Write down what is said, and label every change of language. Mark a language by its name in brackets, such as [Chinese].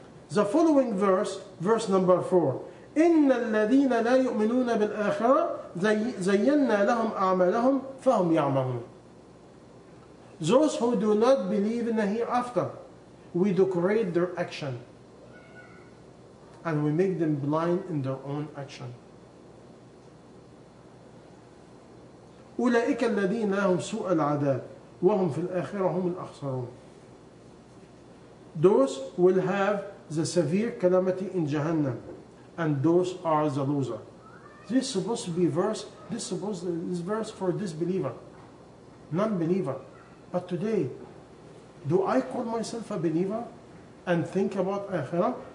[English] The following verse, verse number 4. [Arabic] إِنَّ الَّذِينَ لَا يُؤْمِنُونَ بِالْآخِرَةِ زَيَّنَّا لَهُمْ أَعْمَلَهُمْ فَهُمْ يَعْمَلُونَ. [English] Those who do not believe in the hereafter, we decorate their action. And we make them blind in their own action. [Arabic] أولئك الذين لهم سوء العذاب وهم في الآخرة هم الأخسرون. [English] Those will have the severe calamity in Jahannam, and those are the loser. This is supposed to be verse. This is supposed to be verse for disbeliever, non-believer. But today, do I call myself a believer and think about Akhirah?